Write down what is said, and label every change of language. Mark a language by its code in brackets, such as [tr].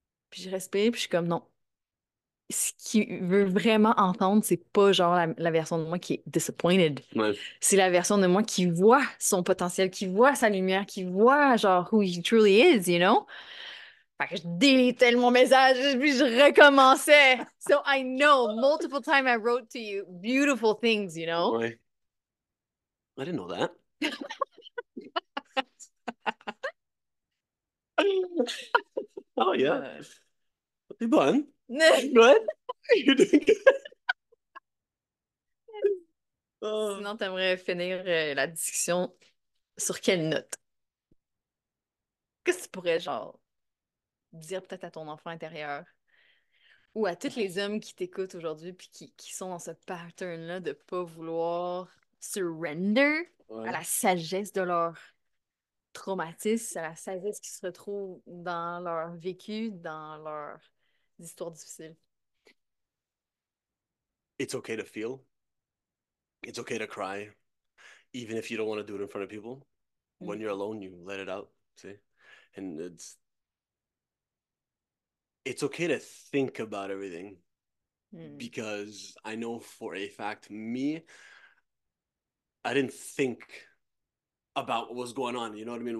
[fr] Puis je respire, puis je suis comme, non. Ce qu'il veut vraiment entendre, c'est pas genre la version de moi qui est disappointed. C'est la version de moi qui voit son potentiel, qui voit sa lumière, qui voit genre who he truly is, you know? Fait que je délitais mon message, puis je recommençais. [en] So I know, multiple times I wrote to you beautiful things, you know? Ouais. I didn't know that. Oh yeah. C'est bon. Ouais. You're doing good. Oh. [fr] Sinon, t'aimerais finir la discussion sur quelle note? Qu'est-ce que tu pourrais, genre, dire peut-être à ton enfant intérieur ou à tous les hommes qui t'écoutent aujourd'hui puis qui sont dans ce pattern-là de pas vouloir surrender à Ouais. la sagesse de leur traumatisme, à la sagesse qui se retrouve dans leur vécu, dans leur histoire difficile. [en] It's okay to feel. It's okay to cry, even if you don't want to do it in front of people. When you're alone, you let it out, see? And it's okay to think about everything, because I know for a fact, me, I didn't think about what was going on, you know what I mean?